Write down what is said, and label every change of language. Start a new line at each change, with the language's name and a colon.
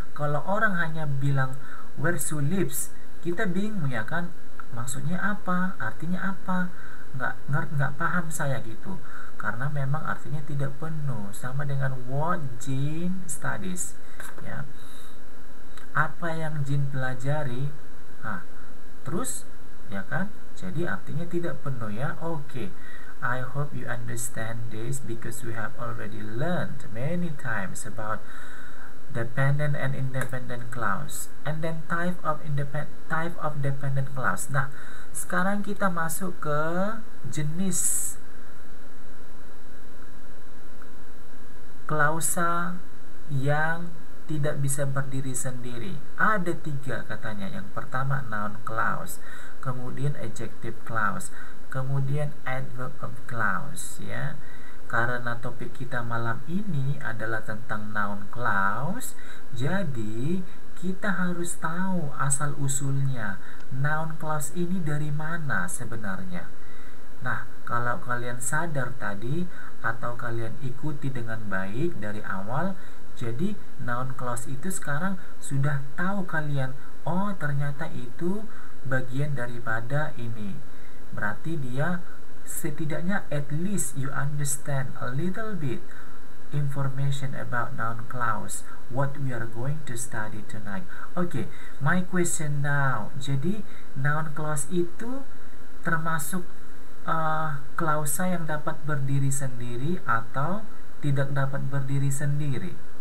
Indonesian: Kalau orang hanya bilang
English: where she lives,
Indonesian: kita bingung ya kan, maksudnya apa, artinya apa, nggak paham saya gitu, karena memang artinya tidak penuh. Sama dengan
English: what Jean studies,
Indonesian: ya, apa yang Jean pelajari. Nah, terus ya kan, jadi artinya tidak penuh ya.
English: Oke, I hope you understand this because we have already learned many times about dependent and independent clause and then type of dependent clause.
Indonesian: Nah, sekarang kita masuk ke jenis klausa yang tidak bisa berdiri sendiri. Ada tiga katanya. Yang pertama noun clause, kemudian adjective clause, kemudian adverb of clause ya. Karena topik kita malam ini adalah tentang noun clause, jadi kita harus tahu asal-usulnya noun clause ini dari mana sebenarnya. Nah, kalau kalian sadar tadi atau kalian ikuti dengan baik dari awal, jadi noun clause itu sekarang sudah tahu kalian, oh ternyata itu bagian daripada ini. Berarti dia setidaknya
English: at least you understand a little bit information about noun clause, what we are going to study tonight. Okay, my question now.
Indonesian: Jadi noun clause itu termasuk klausa yang dapat berdiri sendiri atau tidak dapat berdiri sendiri?